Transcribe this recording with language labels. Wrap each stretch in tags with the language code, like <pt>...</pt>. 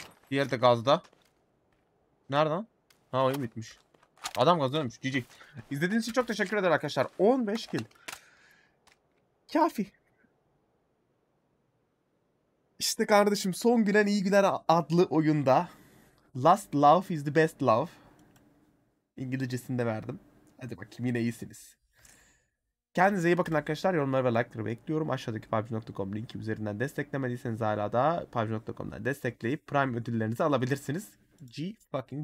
<tr>Diğeri de gazda. Nereden? Ha oyun bitmiş. Adam gazı ölmüş. GG. İzlediğiniz için çok teşekkür ederim arkadaşlar. 15 kill. Kafi. İşte kardeşim son gülen iyi güler adlı oyunda.</tr> <en>Last love is the best love.</en> <tr>İngilizcesini de verdim. Hadi bakayım yine iyisiniz. Kendinize iyi bakın arkadaşlar. Yorumları ve like'ları bekliyorum. Aşağıdaki pubg.com linki üzerinden desteklemediyseniz hala da pubg.com'dan destekleyip prime ödüllerinizi alabilirsiniz.</tr> <en>G fucking G.</en>